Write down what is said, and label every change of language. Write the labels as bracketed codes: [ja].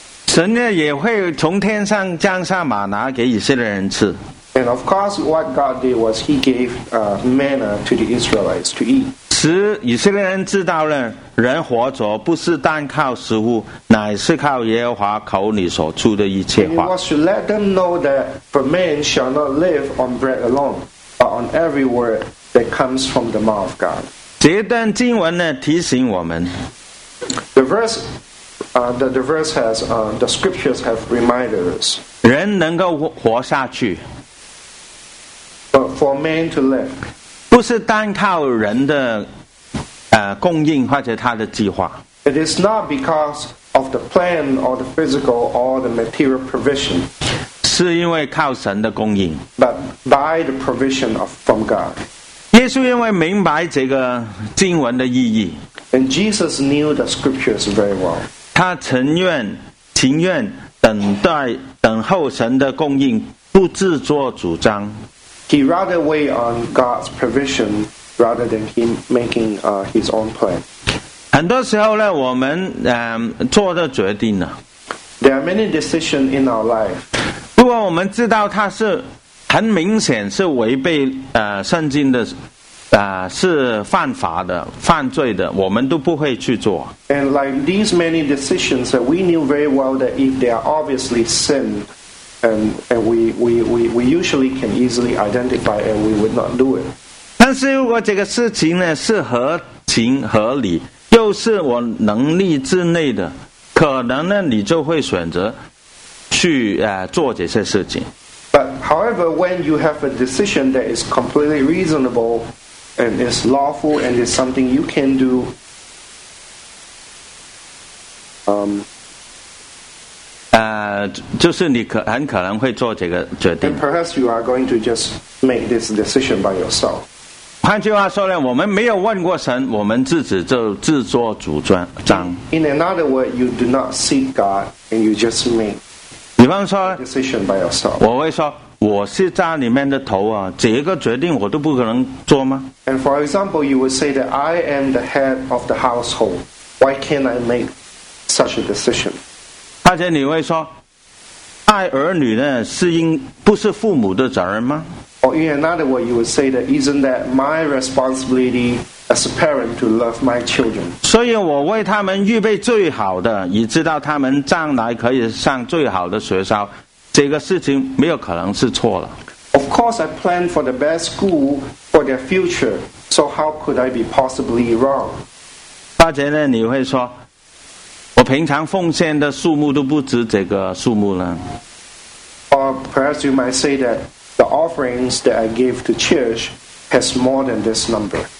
[zh] 神呢也会从天上降下玛拿给以色列人吃。 [en] And of course, what God did was He gave manna to the Israelites to eat. [zh] 使以色列人知道了，人活着不是单靠食物，乃是靠耶和华口里所出的一切话。 [en] And it was to let them know that for man shall not live on bread alone, but on every word that comes from the mouth of God. [zh] 这段经文呢提醒我们。 [en] The scriptures have reminded us. [zh] 人能够活下去。 [en] But for man to live. [zh] 不是单靠人的供应或者他的计划。 [en] It is not because of the plan or the physical or the material provision. [zh] 是因为靠神的供应。 [en] But by the provision from God. [zh] 耶稣因为明白这个经文的意义， [en] And Jesus knew the scriptures very well. [zh] 他情愿等待等候神的供应，不自作主张。 [en] He rather wait on God's provision rather than him making his own plan. [zh] 很多时候呢，我们做的决定呢， [en] There are many decisions in our life. [zh] 如果我们知道他是很明显是违背圣经的是犯法的犯罪的，我们都不会去做。 [en] And like these many decisions that we knew very well that if they are obviously sin and we usually can easily identify and we would not do it. [zh] 但是如果这个事情呢是合情合理又是我能力之内的，可能呢你就会选择去做这些事情。 [en] But however, when you have a decision that is completely reasonable and is lawful and is something you can do, then perhaps you are going to just make this decision by yourself. [zh] 换句话说呢，我们没有问过神，我们自己就自作主张。 [en] In another word, you do not seek God and you just make. [zh] 比方说我会说我是家里面的头啊，这个决定我都不可能做吗？ [en] And for example, you would say that I am the head of the household. Why can't I make such a decision? [zh] 或者你会说爱儿女呢是应不是父母的责任吗？ [en] Or in another way, you would say that isn't that my responsibility as a parent to love my children. [zh] 所以我为他们预备最好的，以知道他们将来可以上最好的学校，这个事情没有可能是错了。 [en] Of course, I plan for the best school for their future. So how could I be possibly wrong? [zh] 或者呢，你会说，我平常奉献的数目都不止这个数目呢。 [en] Or perhaps you might say that the offerings that I gave to church has more than this number.